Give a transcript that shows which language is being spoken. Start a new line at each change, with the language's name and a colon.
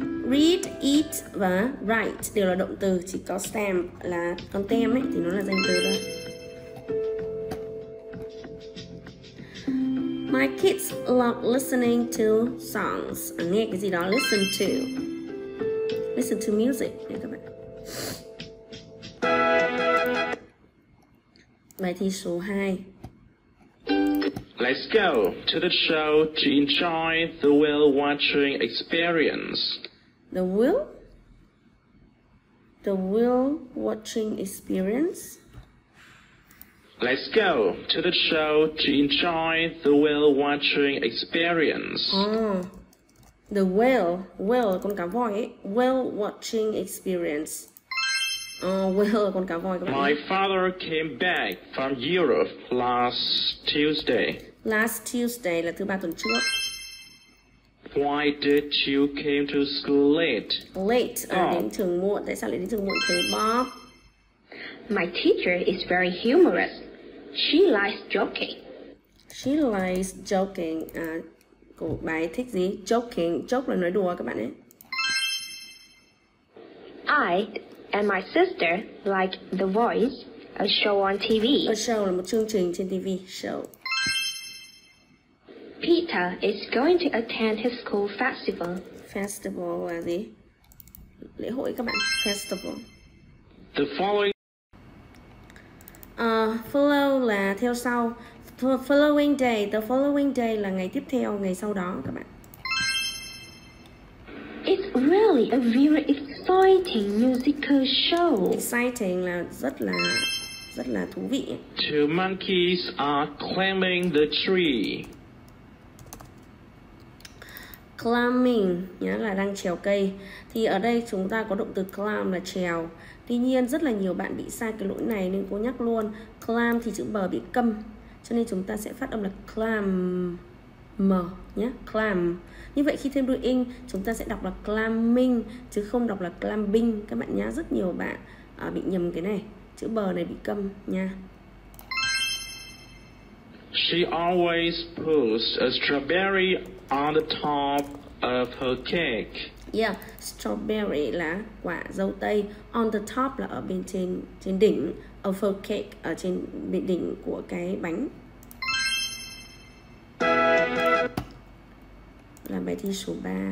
Vietnamese: Read, eat và write đều là động từ, chỉ có stamp là con tem ấy thì nó là danh từ thôi.
English: My kids love listening to songs.
Vietnamese: À, nghe cái gì đó,
English: listen to. Listen to music.
Vietnamese: Nghe các bạn. Bài thi số 2.
English: Let's go to the show to enjoy the whale watching experience. The whale? The whale watching experience? Let's go to the show to enjoy the whale watching experience. The whale, whale
Vietnamese: con cá voi ấy,
English: whale watching experience.
Vietnamese: Whale con cá voi.
English: My father came back from Europe last Tuesday.
Vietnamese: Last Tuesday là thứ ba tuần trước.
English: Why did you came to school late?
Vietnamese: Late, đến trường muộn. Tại sao lại đến trường muộn thế, Bob?
English: My teacher is very humorous. She likes joking. She likes joking.
Vietnamese: Cô bài thích gì?
English: Joking.
Vietnamese: Joke là nói đùa các bạn ấy.
English: I and my sister like The Voice, a show on TV.
Vietnamese: A show là một chương trình trên TV.
English: Show. Peter is going to attend his school festival.
Vietnamese: Festival là gì? Lễ hội các bạn. Festival.
English: The following.
Vietnamese: Follow là theo sau.
English: Following day, the following day
Vietnamese: là ngày tiếp theo, ngày sau đó các bạn.
English: It's really a very exciting musical show.
Vietnamese: Exciting là rất là thú vị.
English: Two monkeys are climbing the tree.
Vietnamese: Climbing nghĩa là đang trèo cây. Thì ở đây chúng ta có động từ climb là trèo. Tuy nhiên rất là nhiều bạn bị sai cái lỗi này nên cô nhắc luôn. Climb thì chữ bờ bị câm, cho nên chúng ta sẽ phát âm là climb m nhé, climb. Như vậy khi thêm đuôi ing chúng ta sẽ đọc là climbing chứ không đọc là climbing các bạn nhá. Rất nhiều bạn bị nhầm cái này, chữ bờ này bị câm nha.
English: She always puts a strawberry on the top of her cake.
Vietnamese: Yeah, strawberry là quả dâu tây. On the top là ở bên trên, trên đỉnh.
English: Of her cake,
Vietnamese: ở trên bên đỉnh của cái bánh. Là bài thi số 3.